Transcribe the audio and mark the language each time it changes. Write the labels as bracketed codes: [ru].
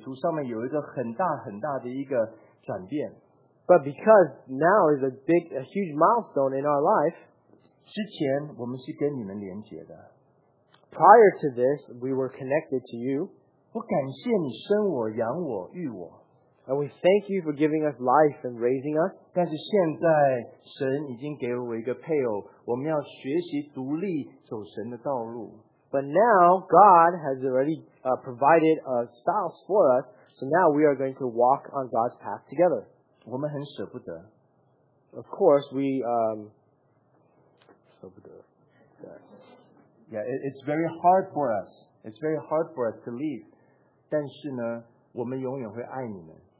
[zh] 他们说我们现在在人生的这个旅途上面有一个很大很大的一个转变。 [en] But because now is a huge milestone in our life, [zh] 之前我们是跟你们连结的。 [en] Prior to this, we were connected to you. [zh] 我感谢你生我、养我、育我。 [en] And we thank you for giving us life and raising us. [zh] 但是现在神已经给了我一个配偶，我们要学习独立走神的道路。 [en] But now God has already provided a spouse for us, so now we are going to walk on God's path together. [zh] 我们很舍不得。 [en] Of course, we [zh] 舍不得。 [en] Yeah, it's very hard for us. It's very hard for us to leave. [zh] 但是呢，我们永远会爱你们。